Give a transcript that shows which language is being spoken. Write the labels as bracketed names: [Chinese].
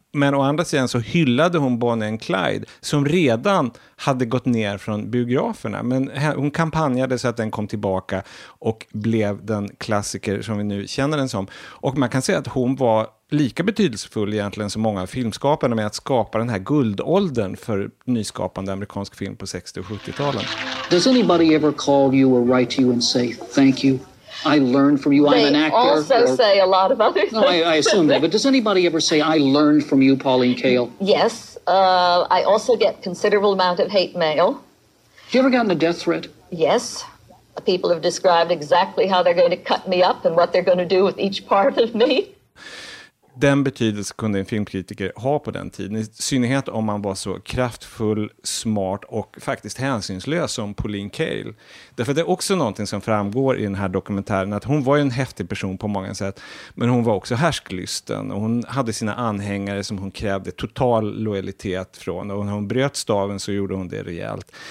[Swedish] Men å andra sidan så hyllade hon Bonnie and Clyde, som redan hade gått ner från biograferna. Men hon kampanjade så att den kom tillbaka och blev den klassiker som vi nu känner den som. Och man kan säga att hon var lika betydelsefull egentligen som många filmskaparna med att skapa den här guldåldern för nyskapande amerikansk film på 60- och 70-talen. [English] Does anybody ever call you or write to you and say thank you? I learned from you. They I'm an actor. They also say a lot of other things. No, I assume that. But does anybody ever say, I learned from you, Pauline Kael? Yes. I also get considerable amount of hate mail. Have you ever gotten a death threat? Yes. People have described exactly how they're going to cut me up and what they're going to do with each part of me. [Swedish] Den betydelse kunde en filmkritiker ha på den tiden, i synnerhet om man var så kraftfull, smart och faktiskt hänsynslös som Pauline Kael. Därför det är också någonting som framgår i den här dokumentären, att hon var ju en häftig person på många sätt, men hon var också härsklysten och hon hade sina anhängare som hon krävde total lojalitet från, och när hon bröt staven så gjorde hon det rejält.